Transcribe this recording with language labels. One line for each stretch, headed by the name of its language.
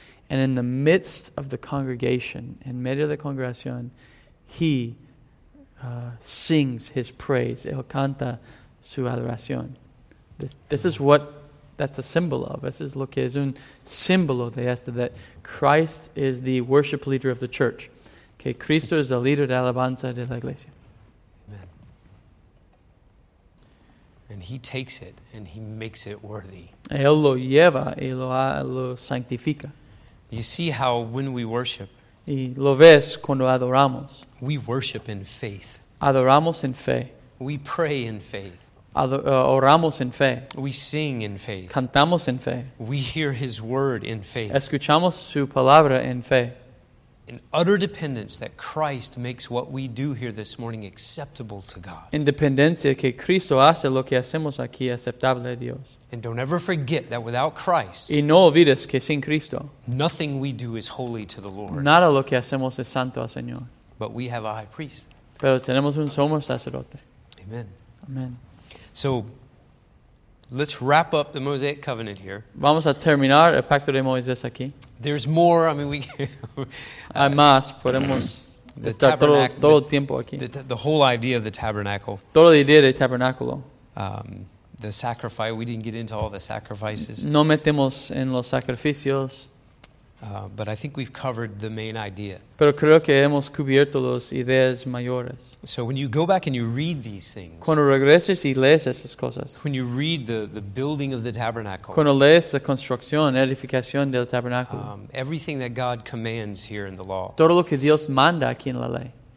English: And in the midst of the congregation,
Spanish: en medio de la congregación,
English: he sings his praise,
Spanish: él canta su adoración.
English: This is what that's a symbol of. This is
Spanish: lo que es un símbolo de esto,
English: that Christ is the worship leader of the church.
Spanish: Que Cristo es el líder de alabanza de la iglesia. Amen.
English: And he takes it and he makes it worthy.
Spanish: Él lo lleva y lo sanctifica.
English: You see how when we worship,
Spanish: y lo ves cuando adoramos.
English: We worship in faith.
Spanish: Adoramos en fe.
English: We pray in faith.
Spanish: Oramos en fe.
English: We sing in faith.
Spanish: Cantamos en fe.
English: We hear his word in faith.
Spanish: Escuchamos su palabra en fe.
English: In utter dependence that Christ makes what we do here this morning acceptable to God.
Spanish: Independencia que Cristo hace lo que hacemos aquí aceptable a Dios.
English: And don't ever forget that without Christ.
Spanish: Y no olvides que sin Cristo.
English: Nothing we do is holy to the Lord.
Spanish: Nada lo que hacemos es santo al Señor.
English: But we have a high priest.
Spanish: Pero tenemos un sumo sacerdote. Amen. Amen.
English: So, let's wrap up the Mosaic Covenant here.
Spanish: Vamos a terminar el pacto de Moisés aquí.
English: There's more, I mean, we...
Spanish: Hay más, podemos...
English: The tabernacle.
Spanish: Todo el tiempo aquí.
English: The whole idea of the tabernacle.
Spanish: Toda la idea del tabernáculo.
English: The sacrifice, we didn't get into all the sacrifices.
Spanish: No metemos en los sacrificios.
English: But I think we've covered the main idea.
Spanish: Pero creo que hemos cubierto las ideas mayores.
English: So when you go back and you read these things,
Spanish: cuando regreses y lees esas cosas,
English: when you read the building of the tabernacle,
Spanish: cuando lees la construcción, edificación del tabernáculo,
English: everything that God commands here in the law,
Spanish: todo lo que Dios manda aquí en la ley,